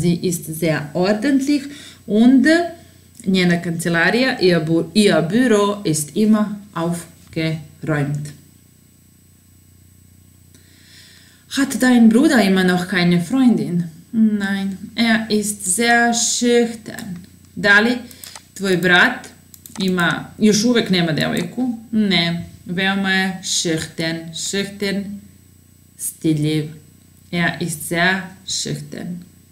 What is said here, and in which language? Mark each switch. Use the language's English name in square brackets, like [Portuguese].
[German] Sie ist sehr ordentlich und [Serbian] njena kancelarija, [German] ihr Büro, ist immer aufgeräumt. Hat dein Bruder immer noch keine Freundin? Nein, er ist sehr schüchtern. [Serbian] Da li tvoj brat ima, još uvek nema devojku? Ne, veoma je [German] schüchtern, [Serbian] stidljiv. [German] Er ist sehr schüchtern.